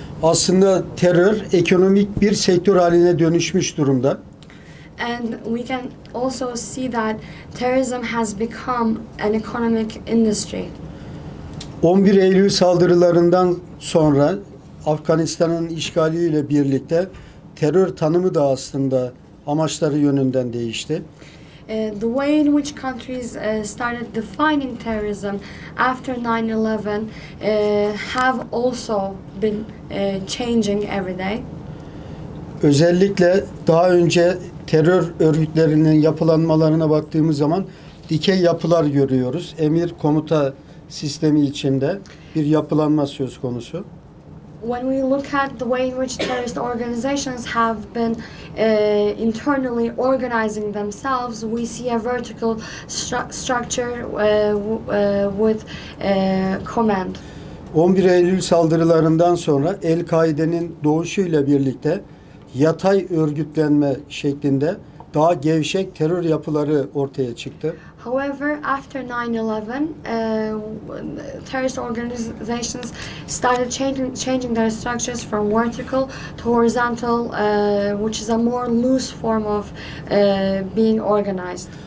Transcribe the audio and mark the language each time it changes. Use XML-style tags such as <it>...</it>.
<tr>Aslında terör ekonomik bir sektör haline dönüşmüş durumda.</tr> <en>And we can also see that terrorism has become an economic industry.</en> <tr>11 Eylül saldırılarından sonra Afganistan'ın işgaliyle birlikte terör tanımı da aslında amaçları yönünden değişti.</tr> <en>The way in which countries started defining terrorism after 9/11 have also been changing every day.</en> <tr>Özellikle daha önce terör örgütlerinin yapılanmalarına baktığımız zaman dikey yapılar görüyoruz. Emir komuta sistemi içinde bir yapılanma söz konusu.</tr> <en>When we look at the way in which terrorist organizations have been internally organizing themselves, we see a vertical structure with command.</en> <tr>11 Eylül saldırılarından sonra El-Kaide'nin doğuşuyla birlikte yatay örgütlenme şeklinde daha gevşek terör yapıları ortaya çıktı.</tr> <en>However, after 9/11, terrorist organizations started changing their structures from vertical to horizontal, which is a more loose form of being organized.</en>